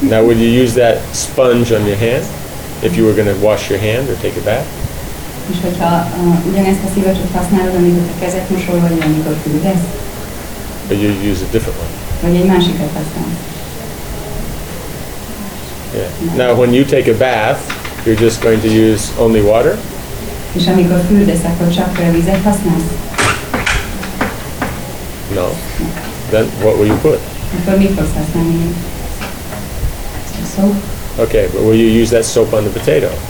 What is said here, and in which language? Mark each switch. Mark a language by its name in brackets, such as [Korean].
[English] Now would you use that sponge on your hand? If you were going to wash your hand or take a bath? [Hungarian] És hogyha ugyanezt a szivacsot használod, amikor a kezet mosol, vagy amikor fürdesz? [English] But you use a different one. [Hungarian] Vagy egy másikat használ. [English] Yeah. Now when you take a bath, you're just going to use only water? [Hungarian] És amikor fürdesz, akkor csak a vizet használsz? [English] No. Then what will you put? [Hungarian] Akkor mit fogsz használni? [English] Soap. Okay, but will you use that soap on the potato?